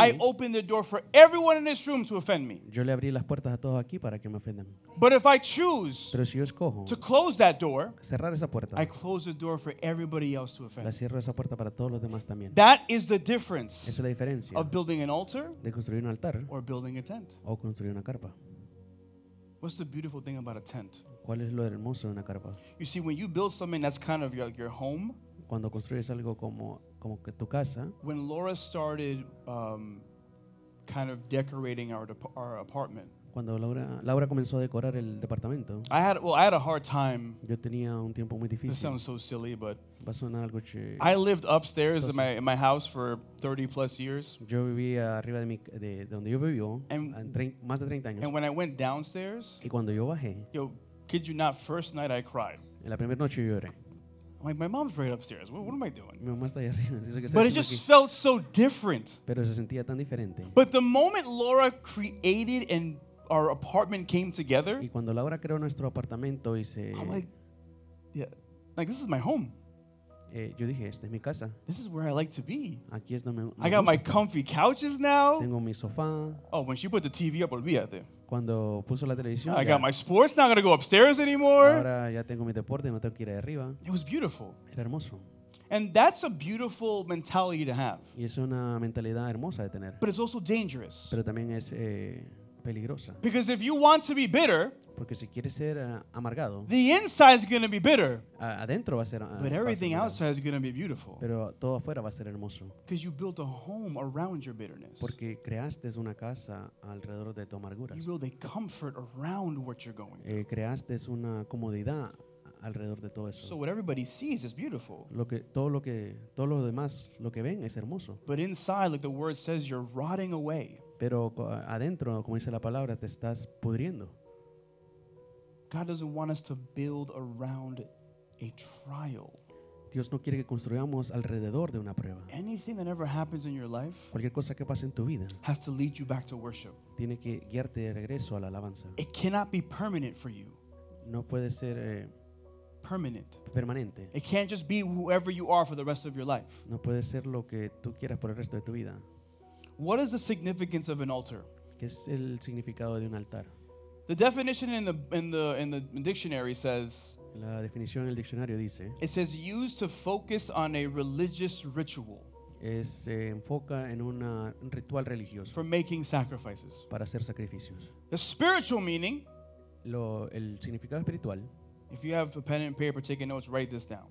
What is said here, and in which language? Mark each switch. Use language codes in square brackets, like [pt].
[en] I open the door for everyone in this room to offend me. [es] Yo le abrí las puertas a todos aquí para que me ofendan. [en] But if I choose, [es] pero si yo escojo, [en] to close that door, [es] cerrar esa puerta, [en] I close the door for everybody else to offend. [es] La cierro esa puerta para todos los demás también. [en] That is the difference. [es] Esa es la diferencia [en] of building an altar, [es] de construir un altar, [en] or building a tent, [es] o construir una carpa. [en] What's the beautiful thing about a tent? [es] ¿Cuál es lo hermoso de una carpa? [en] You see, when you build something that's kind of your home, [es] cuando construyes algo como que tu casa, [en] when Laura started kind of decorating our apartment, [es] cuando Laura comenzó a decorar el departamento, [en] I had a hard time. [es] Yo tenía un tiempo muy difícil. [en] This sounds so silly, but [es] va a sonar algo [en] I lived upstairs in my house for 30 plus years. [es] Yo vivía arriba de donde yo vivía, más de 30 años. [en] And when I went downstairs, [es] y cuando yo bajé, [en] yo, kid you not, first night I cried. [es] En la primera noche yo lloré. [en] Like, my mom's right upstairs. What am I doing? [es] Mi mamá está ahí arriba. [en] But it just felt so different. [es] Pero se sentía tan diferente. [en] But the moment Laura created and our apartment came together, [es] y cuando Laura creó nuestro apartamento y se, [en] I'm like, yeah, like, this is my home. [es] Yo dije, esta es mi casa. [en] This is where I like to be. [es] Aquí es donde [en] I got my estar. Comfy couches now. [es] Tengo mi sofá. [en] Oh, when she put the TV up, olvídate. [es] Cuando puso la televisión, [en] I got my sports, not going to go upstairs anymore. [es] Ahora ya tengo mi deporte, no tengo que ir arriba. [en] It was beautiful. [es] Era hermoso. [en] And that's a beautiful mentality to have. [es] Y es una mentalidad hermosa de tener. [en] But it's also dangerous. [es] Pero también es peligrosa. [en] Because if you want to be bitter, [es] porque si quieres ser amargado, [en] the inside is going to be bitter. [es] Adentro va a ser, [en] but everything outside is going to be beautiful. [es] Pero todo afuera va a ser hermoso. [en] Because you built a home around your bitterness. [es] Porque creaste una casa alrededor de tu amargura. [en] You build a comfort around what you're going through. [es] Creaste una comodidad alrededor de todo eso. [en] So what everybody sees is beautiful. [es] Todo lo demás ven es hermoso. [en] But inside, like the word says, you're rotting away. [es] Pero adentro, como dice la palabra, te estás pudriendo. [en] God doesn't want us to build around a trial. [es] Dios no quiere que construyamos alrededor de una prueba. [en] Anything that ever happens in your life, [es] cualquier cosa que pase en tu vida, [en] has to lead you back to worship. [es] Tiene que guiarte de regreso a la alabanza. [en] It cannot be permanent for you. [es] No puede ser [en] permanent. [es] Permanente. [en] It can't just be whoever you are for the rest of your life. [es] No puede ser lo que tú quieras por el resto de tu vida. [en] What is the significance of an altar? [es] ¿Qué es el significado de un altar? [en] The definition in the dictionary says, [es] la definición en el diccionario dice, [en] it says used to focus on a religious ritual. [es] Se enfoca en un ritual religioso. [en] For making sacrifices. [es] Para hacer sacrificios. [en] The spiritual meaning, [es] el significado espiritual. [en] If you have a pen and paper, take notes, write this down.